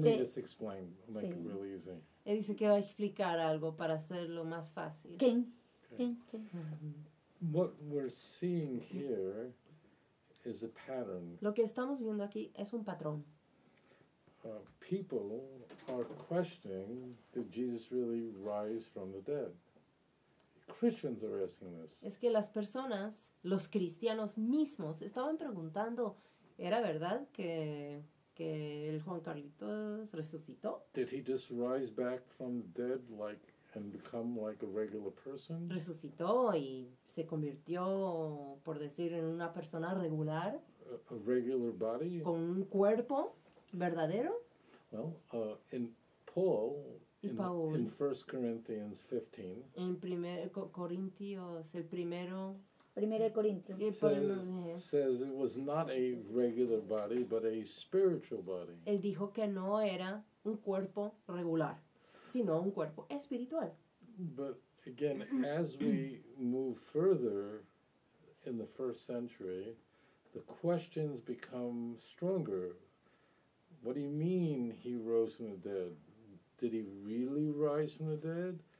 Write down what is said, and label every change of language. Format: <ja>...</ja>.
<en>let me just explain, make it really easy.</en> <es>Él dice que va a explicar algo para hacerlo más fácil. ¿Quién? ¿Quién?</es> <en>What we're seeing here is a pattern.</en> <es>Lo que estamos viendo aquí es un patrón.</es> <en>People are questioning, did Jesus really rise from the dead? Christians are asking this.</en> <es>Es que las personas, los cristianos mismos, estaban preguntando, ¿era verdad que el Juan Carlitos resucitó?</es> <en>Did he just rise back from the dead like and become like a regular person?</en> <es>¿Resucitó y se convirtió, por decir, en una persona regular?</es> <en>A regular body?</en> <es>¿Con un cuerpo verdadero?</es> <en>Well, in Paul, in 1 Corinthians 15.</en> <es>En Corintios, el primero. Primero de Corintios.</es> <en>Says it was not a regular body, but a spiritual body.</en> <es>Él dijo que no era un cuerpo regular, sino un cuerpo espiritual.</es> <en>But again, as we move further in the first century, the questions become stronger. What do you mean he rose from the dead? Did he really rise from the dead?</en>